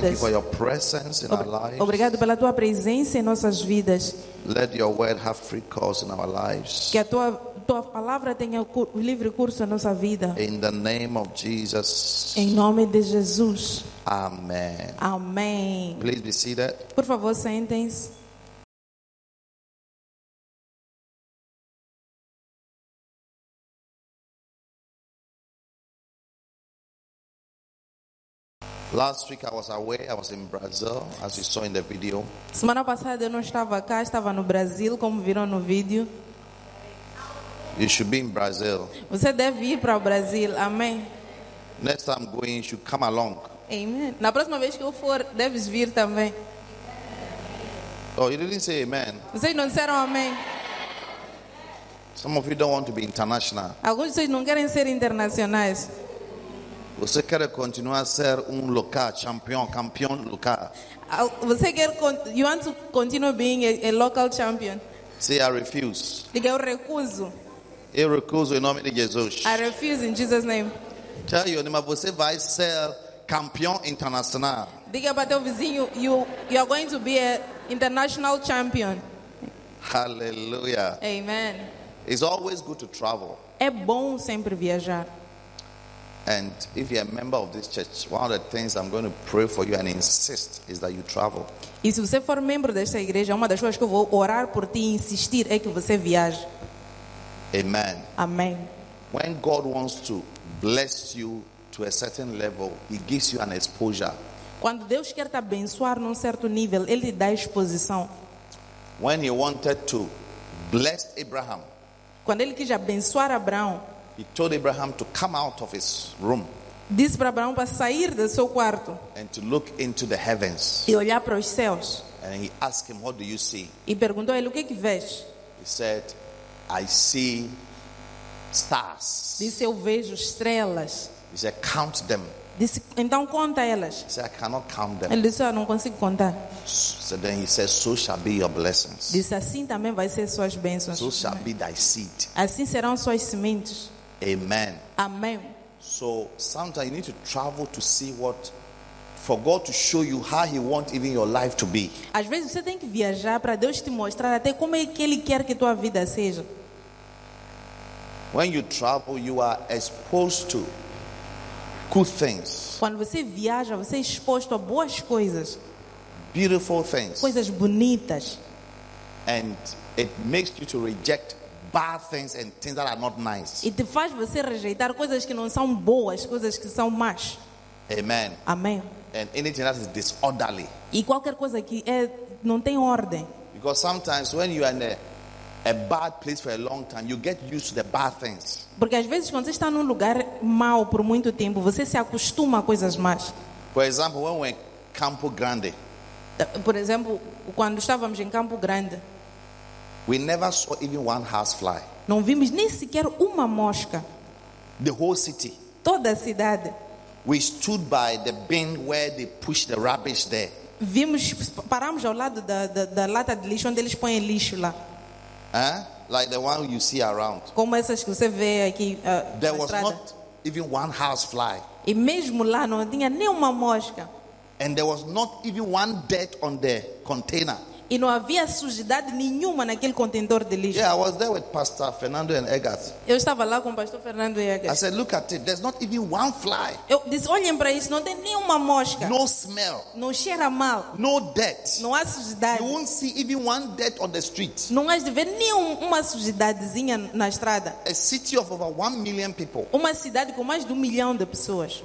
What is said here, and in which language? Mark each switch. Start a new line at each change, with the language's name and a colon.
English: Thank you for your presence in our lives.
Portuguese: Obrigado pela tua presença em nossas vidas.
English: Let your word have free course in our lives.
Portuguese: Que a tua palavra tenha livre curso na nossa vida.
English: In the name of Jesus.
Portuguese: Em nome de Jesus.
English: Amen.
Portuguese: Amém.
English: Please be seated.
Portuguese: Por favor, sentem-se.
English: Last week I was away. I was in Brazil, as you saw in the video.
Portuguese: Semana passada eu não estava cá, estava no Brasil, como viram no vídeo.
English: You should be in Brazil.
Portuguese: Você deve ir para o Brasil. Amém.
English: Next time I'm going, you should come along. Amen.
Portuguese: Na próxima vez que eu for, deves vir também.
English: Oh, you didn't say amen.
Portuguese: Vocês não disseram amém.
English: Some of you don't want to be international.
Portuguese: Alguns de vocês não querem ser internacionais. Você quer continuar a ser local, campeão local? Você quer,
English: you want to continue being a local champion? See, I refuse.
Portuguese: Diga, eu recuso. Eu recuso em nome de Jesus.
English: I refuse in Jesus' name. Tell your neighbor,
Portuguese: você vai ser campeão internacional. Diga para teu vizinho,
English: you are going to be an international champion. Hallelujah. Amen. It's always good to travel.
Portuguese: É bom sempre viajar.
English: And if you're a member of this church, one of the things I'm going to pray for you and insist is that you travel.
Portuguese: E se você for membro desta igreja, uma das coisas que eu vou orar por ti e insistir é que você viaje.
English: Amen.
Portuguese: Amém.
English: When God wants to bless you to a certain level, he gives you an exposure.
Portuguese: Quando Deus quer te abençoar num certo nível, ele te dá exposição.
English: When he wanted to bless Abraham.
Portuguese: Quando ele quis abençoar Abraão.
English: He told Abraham to come out of his room.
Portuguese: Disse para Abraão para sair do seu quarto.
English: And to look into the heavens.
Portuguese: E olhar para os céus.
English: And he asked him, "What do you see?"
Portuguese: E perguntou a ele, o que vês?
English: He said, "I see stars."
Portuguese: Disse, eu vejo estrelas.
English: He said, "Count them."
Portuguese: Disse, então conta elas.
English: He said, "I cannot count them."
Portuguese: Ele disse, eu não consigo contar.
English: So then he said, "So shall be your blessings."
Portuguese: Disse, assim também vai ser suas bênçãos.
English: So shall be thy seed.
Portuguese: Assim serão suas sementes.
English: Amen.
Portuguese: Amém.
English: So sometimes you need to travel to see what, for God to show you how He wants even your life to be.
Portuguese: Às vezes você tem que viajar para Deus te mostrar até como é que Ele quer que tua vida seja.
English: When you travel, you are exposed to good things.
Portuguese: Quando você viaja, você é exposto a boas coisas.
English: Beautiful things.
Portuguese: Coisas bonitas.
English: And it makes you to reject bad things and things that are not nice.
Portuguese: E te faz você rejeitar coisas que não são boas, coisas que são más.
English: Amen.
Portuguese: Amém.
English: And anything that is disorderly.
Portuguese: E qualquer coisa que não tem ordem.
English: Because sometimes when you are in a bad place for a long time, you get used to the bad things.
Portuguese: Porque às vezes quando você está num lugar mau por muito tempo, você se acostuma a coisas más.
English: For example, when we were in Campo Grande.
Portuguese: Por exemplo, quando estávamos em Campo Grande.
English: We never saw even one house fly.
Portuguese: Não vimos nem sequer uma mosca.
English: The whole city.
Portuguese: Toda a cidade.
English: We stood by the bin where they push the rubbish there.
Portuguese: Vimos, paramos ao lado da lata de lixo onde eles põem lixo lá.
English: Huh? Like the one you see around.
Portuguese: Como essas que você vê aqui.
English: There was not even one house fly.
Portuguese: E mesmo lá não tinha nem uma mosca.
English: And there was not even one dirt on the container.
Portuguese: E não havia sujidade nenhuma naquele contentor de lixo.
English: Yeah, I was there with Pastor Fernando and Egas.
Portuguese: Eu estava lá com o Pastor Fernando e Egas.
English: I said, "Look at it. There's not even one fly."
Portuguese: Eu disse, olhem para isso, não tem nenhuma mosca.
English: No smell.
Portuguese: Não cheira mal.
English: No dirt.
Portuguese: Não há sujidade.
English: You won't see even one dirt on the street.
Portuguese: Não há de ver nenhuma sujidadezinha na estrada.
English: A city of over 1 million people.
Portuguese: Uma cidade com mais de 1 milhão de pessoas.